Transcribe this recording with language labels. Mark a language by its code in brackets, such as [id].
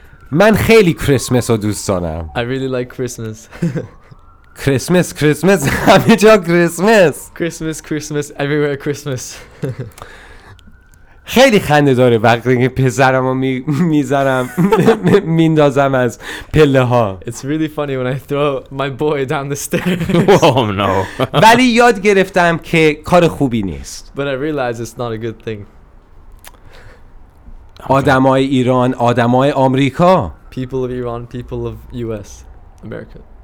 [fa] Man, خیلی Christmas رو دوست دارم. [en] I really like Christmas. Christmas, Christmas, [fa] همه جا [en] Christmas. Christmas, Christmas, everywhere Christmas. [fa] خیلی خنده داره وقتی که پسرم رو میذارم میندازم از پله ها. [en] It's really funny when I throw my boy down the stairs. Oh no. [fa] ولی یاد گرفتم که کار خوبی نیست. [en] But I realize it's not a good thing. [fa] آدمای ایران، آدمای آمریکا. [en] People of Iran, people of US, America.